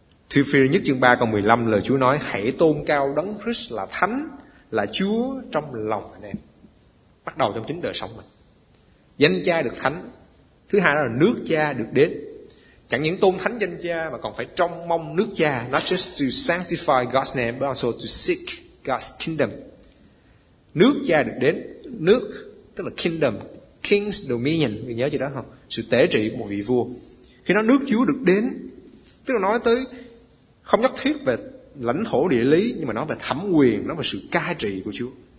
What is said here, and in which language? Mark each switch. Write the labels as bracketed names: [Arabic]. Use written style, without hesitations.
[Vietnamese] Thi Phi nhất chương 3 câu 15, lời Chúa nói: hãy tôn cao Đấng Christ là thánh, là Chúa trong lòng anh em. Bắt đầu trong chính đời sống mình. Danh Cha được thánh, thứ hai là nước Cha được đến. Chẳng những tôn thánh danh Cha mà còn phải trông mong nước Cha. [English] Not just to sanctify God's name but also to seek God's kingdom. [Vietnamese] Nước Cha được đến. Nước tức là [English] kingdom, king's dominion, [Vietnamese] mình nhớ gì đó không? Sự tể trị của một vị vua. Khi nói nước Chúa được đến, tức là nói tới không nhất thiết về lãnh thổ địa lý, nhưng mà nói về thẩm quyền, nói về sự cai trị của Chúa.